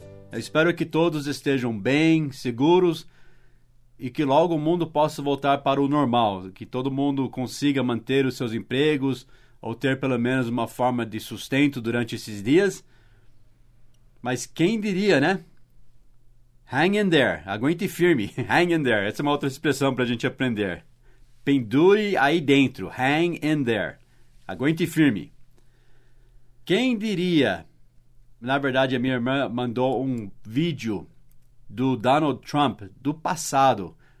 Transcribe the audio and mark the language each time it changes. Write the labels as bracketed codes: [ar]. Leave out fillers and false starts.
[pt] Eu espero que todos estejam bem, seguros e que logo o mundo possa voltar para o normal, que todo mundo consiga manter os seus empregos ou ter pelo menos uma forma de sustento durante esses dias. Mas quem diria, né? [en] Hang in there, [pt] aguente firme, [en] hang in there. [pt] Essa é uma outra expressão para a gente aprender. Pendure aí dentro, [en] hang in there. [pt] Aguente firme. Quem diria? Na verdade, a minha irmã mandou um vídeo do Donald Trump do passado.